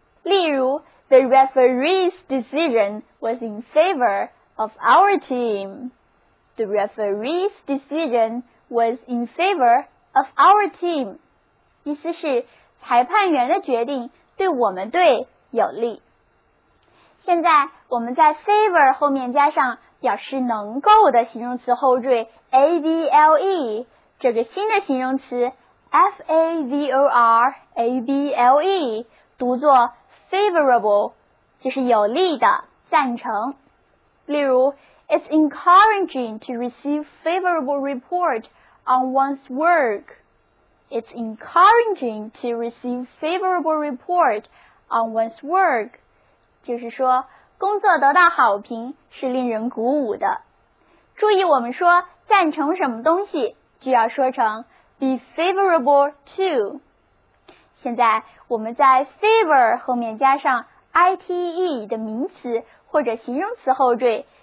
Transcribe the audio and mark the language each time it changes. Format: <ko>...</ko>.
<zh>例如</zh> <en>，The referee's decision was in favor of our team. The referee's decision was in favor of our team.</en> <zh>意思是裁判员的决定对我们队有利。现在我们在 favor 后面加上表示能够的形容词后缀 able， 这个新的形容词 favorable 读作 favorable， 就是有利的、赞成。例如</zh> <en>It's encouraging to receive favorable report on one's work. It's encouraging to receive favorable report on one's work.</en> <zh>就是说，工作得到好评是令人鼓舞的。注意，我们说赞成什么东西，就要说成 be favorable to. 现在我们在 favor 后面加上 ite 的名词或者形容词后缀。</zh>